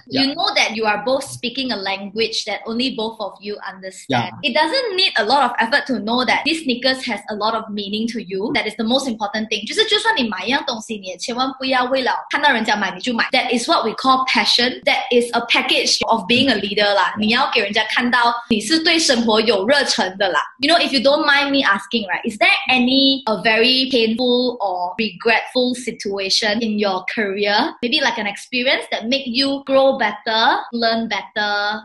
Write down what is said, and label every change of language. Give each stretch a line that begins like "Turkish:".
English: You know that you are both speaking a language that only both of you understand. Yeah. It doesn't need a lot of effort to know that these sneakers has a lot of meaning to you.
Chinese: That is the most important thing. 就是就算你买一样东西, 你也千万不要为了看到人家买你就买.
English: That is what we call passion. That is a package of being a leader 啦.
Chinese: 你要给人 人家看到你是对生活有热忱的啦.
English: You know, if you don't mind me asking, right, is there any a very painful or regretful situation in your career? Maybe like an experience that make you grow better, learn better.